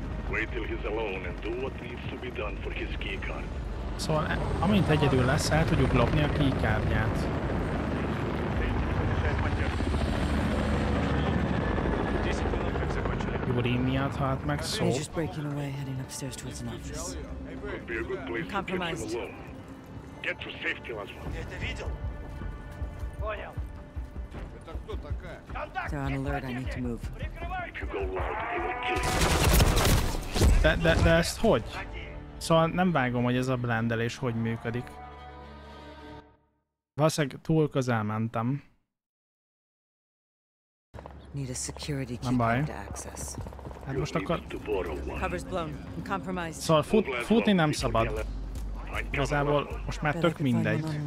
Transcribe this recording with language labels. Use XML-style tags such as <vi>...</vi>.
<en>Wait till he's alone and do what needs to be done for his keycard.</en> <hu>So, amint egyedül lesz, el tudjuk lopni a keycardját. Yuri miatt halt meg szó.</hu> <en>He's just breaking away, heading upstairs towards an office. Could be a good place to keep him alone. Get to safety, Laszlo.</en> <ru>Это видел? Понял. Это кто такая?</ru> <en>They're on alert. I need to move. If you go loud, they will kill you.</en> <hu>De ezt hogy? Szóval nem vágom, hogy ez a blendelés hogy működik. Valószínűleg túl közel mentem.</hu> <en>Need a security key to access.</en> <hu>Hát most akkor...</hu> <en>Cover's blown. I'm compromised.</en> <hu>Szóval futni nem szabad. Igazából most már tök mindegy.</hu>